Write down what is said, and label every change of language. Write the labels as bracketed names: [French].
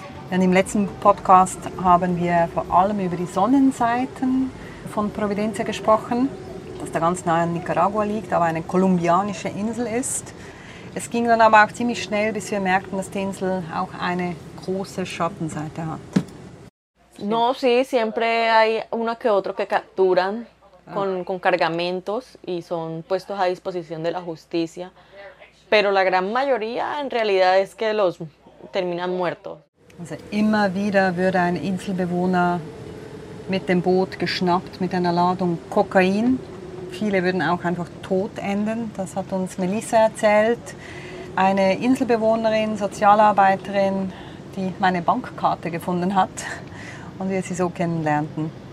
[German] Denn im letzten Podcast haben wir vor allem über die Sonnenseiten von Providencia gesprochen, dass da ganz nah an Nicaragua liegt, aber eine kolumbianische Insel ist. Es ging dann aber auch ziemlich schnell, bis wir merkten, dass die Insel auch eine große Schattenseite hat. [Spanish] No, sí, siempre hay uno que otro que capturan con cargamentos y son puestos a disposición de la justicia, pero la gran mayoría en realidad es que los terminan muertos. [German] Also immer wieder würde ein Inselbewohner mit dem Boot geschnappt mit einer Ladung Kokain. Viele würden auch einfach tot enden, das hat uns Melissa erzählt. Eine Inselbewohnerin, Sozialarbeiterin, die meine Bankkarte gefunden hat und wir sie so kennenlernten.